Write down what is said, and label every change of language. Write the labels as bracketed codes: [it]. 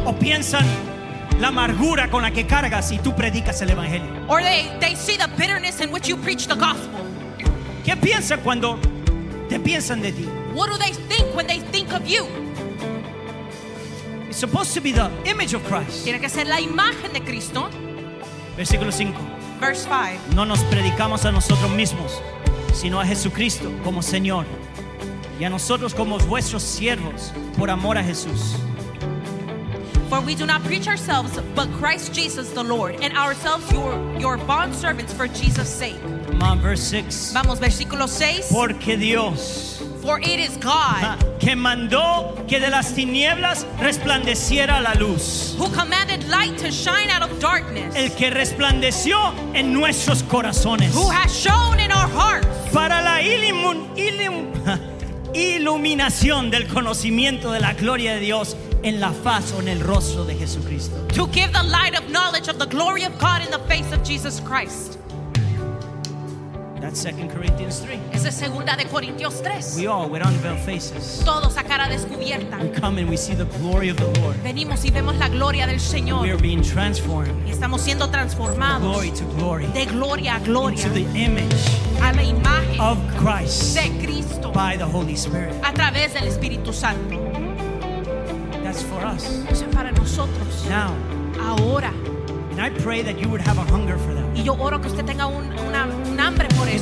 [es] ¿O piensan la amargura con la que cargas y tú predicas el evangelio? [en] Or they see the bitterness in which you preach the gospel. [es] ¿Qué piensan cuando te piensan de ti? [en] What do they think when they think of you? It's supposed to be the image of Christ. [es] Tiene que ser la imagen de Cristo. Versículo 5. [en] Verse 5. [es] No nos predicamos a nosotros mismos, sino a Jesucristo como Señor, y a nosotros como vuestros siervos por amor a Jesús. [en] For we do not preach ourselves, but Christ Jesus the Lord, and ourselves your bond servants for Jesus' sake. Come on, verse 6. [es] Vamos, versículo 6. Porque Dios. [en] For it is God [es] que mandó que de las tinieblas resplandeciera la luz. [en] Who commanded light to shine out of darkness. [es] El que resplandeció en nuestros corazones. [en] Who has shone in our hearts. [es] Para la iluminación del conocimiento de la gloria de Dios en la faz o en el rostro de Jesucristo. [en] To give the light of knowledge of the glory of God in the face of Jesus Christ. That's 2 Corinthians 3. [es] Esa es segunda de Corintios 3. [en] We all with unveiled faces. [es] Todos a cara descubierta. [en] We come and we see the glory of the Lord. [es] Venimos y vemos la gloria del Señor. [en] We are being transformed. [es] Y estamos siendo transformados. [en] Glory to glory. [es] De gloria a gloria. [en] Into the image. [es] A la imagen. [en] Of Christ. [es] De Cristo. [en] By the Holy Spirit. [es] A través del Espíritu Santo. [en] That's for us. [es] Eso es para nosotros. [en] Now. [es] Ahora. [en] And I pray that you would have a hunger for them. [es] Y yo oro que usted tenga un hambre por eso.